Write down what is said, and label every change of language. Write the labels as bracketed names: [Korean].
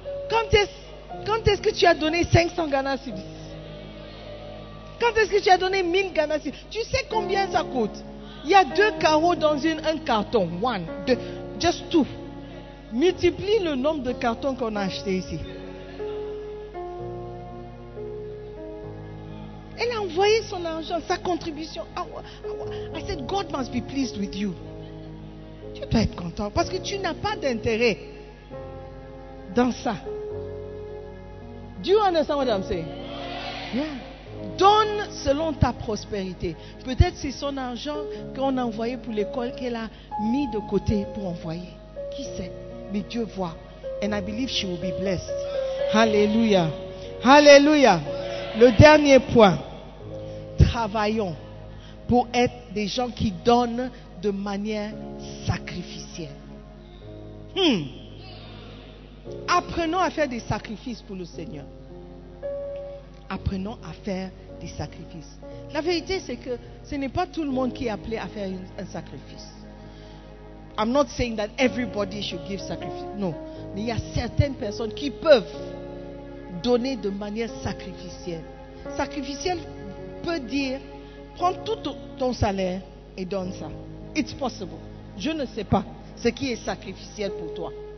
[French] Quand est-ce que tu as donné 500 Ghana Cedis? Quand est-ce que tu as donné 1000 Ghana Cedis? Tu sais combien ça coûte? Il y a deux carreaux dans un carton. [English] One, [French] deux, [English] just two. [French] Multiplie le nombre de cartons qu'on a acheté ici. Elle a envoyé son argent, sa contribution. [English] I said, God must be pleased with you. [French] Tu dois être content parce que tu n'as pas d'intérêt dans ça. [English] Do you understand what I'm saying? Yeah. [French] Donne selon ta prospérité. Peut-être c'est son argent qu'on a envoyé pour l'école qu'elle a mis de côté pour envoyer. Qui sait? Mais Dieu voit. [English] And I believe she will be blessed. [French] Hallelujah. Hallelujah. Le dernier point. Travaillons pour être des gens qui donnent de manière sacrificielle. Apprenons à faire des sacrifices pour le Seigneur. Apprenons à faire des sacrifices. La vérité, c'est que ce n'est pas tout le monde qui est appelé à faire un sacrifice. [English] I'm not saying that everybody should give sacrifice. [French] Non. Mais il y a certaines personnes qui peuvent donner de manière sacrificielle. Sacrificielle peut dire, prends tout ton salaire et donne ça. [English] It's possible. [French] Je ne sais pas ce qui est sacrificiel pour toi.